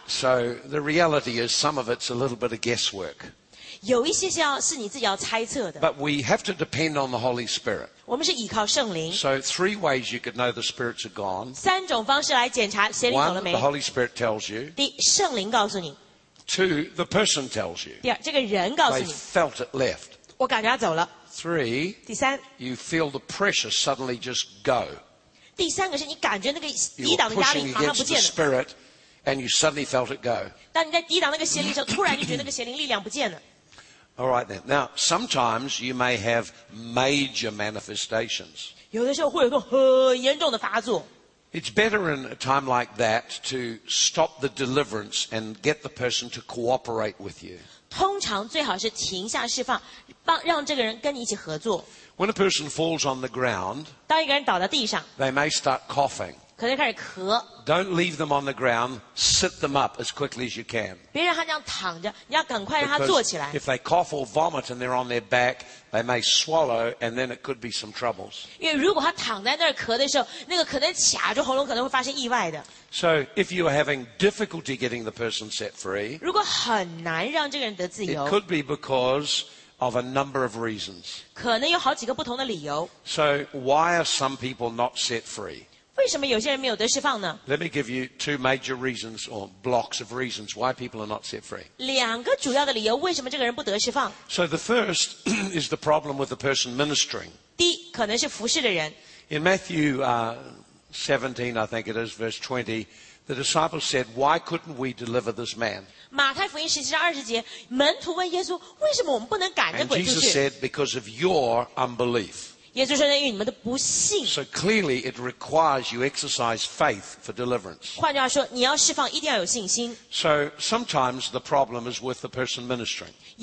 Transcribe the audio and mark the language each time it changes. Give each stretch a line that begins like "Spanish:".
English: So, the reality is some of it's a little bit of guesswork.
Chinese: 有一些是你自己要猜测的。
English: But we have to depend on the Holy Spirit.
Chinese: 我们是依靠圣灵。
English: So, three ways you could know the spirits are gone.
Chinese: 三种方式来检查邪灵走了没。
English: One, the Holy Spirit tells you.
Chinese: 第一,圣灵告诉你。
English: Two, the person tells you.
Chinese: 第二,这个人告诉你。
English: They felt it left.
Chinese: 我感觉要走了。
English: Three,
Chinese: 第三,
English: you feel the pressure suddenly just go.
Chinese: 第三个是你感觉那个抵挡的压力马上不见了。
English: The spirit, and you suddenly felt it go.
Chinese: 当你在抵挡那个邪灵的时候，突然就觉得那个邪灵力量不见了。
English: All right then. Now, sometimes you may have major manifestations.
Chinese: 有的时候会有个很严重的发作。
English: It's better in a time like that to stop the deliverance and get the person to cooperate with you.
Chinese: 通常最好是停下释放, 让这个人跟你一起合作。
English: When a person falls on the ground,
Chinese: 当一个人倒在地上,
English: they may start coughing.
Chinese: 可能开始咳。
English: Don't leave them on the ground, sit them up as quickly as you can.
Chinese: 别让他这样躺着, 你要赶快让他坐起来。
English: If they cough or vomit and they're on their back, they may swallow and then it could be some troubles.
Chinese: 因为如果他躺在那儿咳的时候, 那个可能卡住喉咙可能会发生意外的。
English: So if you are having difficulty getting the person set free,
Chinese: 如果很难让这个人得自由,
English: it could be because of a number of reasons.
Chinese: 可能有好几个不同的理由。
English: So why are some people not set free?
Chinese: 为什么有些人没有得释放呢?
English: Let me give you two major reasons or blocks of reasons why people are not set free.
Chinese: 两个主要的理由为什么这个人不得释放?
English: So the first is the problem with the person ministering.
Chinese: 第一,可能是服侍的人。
English: In Matthew 17, I think it is, verse 20, the disciples said, why couldn't we deliver this man?
Chinese: 马太福音17章20节, 门徒问耶稣, 为什么我们不能赶着鬼出去?
English: And Jesus said, because of your unbelief.
Chinese: 耶稣说因为你们的不信。
English: So clearly it requires you exercise faith for deliverance.
Chinese: 换句话说, 你要释放一定要有信心。
English: So sometimes the problem is with the person ministering.